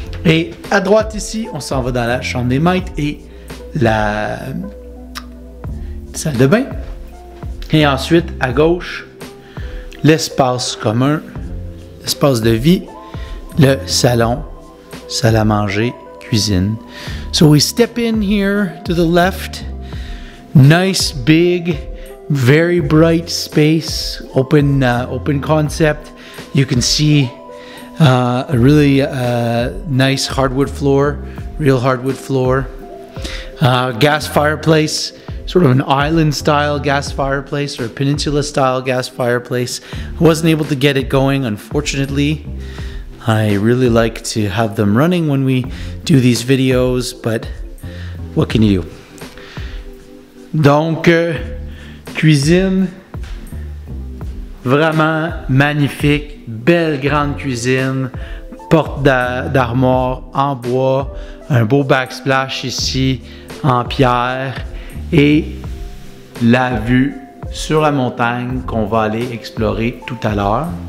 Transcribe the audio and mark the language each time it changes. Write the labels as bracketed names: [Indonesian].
[French] Et à droite ici, on s'en va dans la chambre des maîtres et la salle de bain. Et ensuite, à gauche, l'espace commun, l'espace de vie, le salon, salle à manger, cuisine. [English] So we step in here to the left. Nice, big, very bright space, open concept. You can see a really nice hardwood floor, real hardwood floor. Gas fireplace, sort of an island style gas fireplace or peninsula style gas fireplace. I wasn't able to get it going, unfortunately. I really like to have them running when we do these videos, but what can you do? [French] Donc, cuisine, vraiment magnifique, belle grande cuisine, porte d'armoire en bois, un beau backsplash ici en pierre et la vue sur la montagne qu'on va aller explorer tout à l'heure.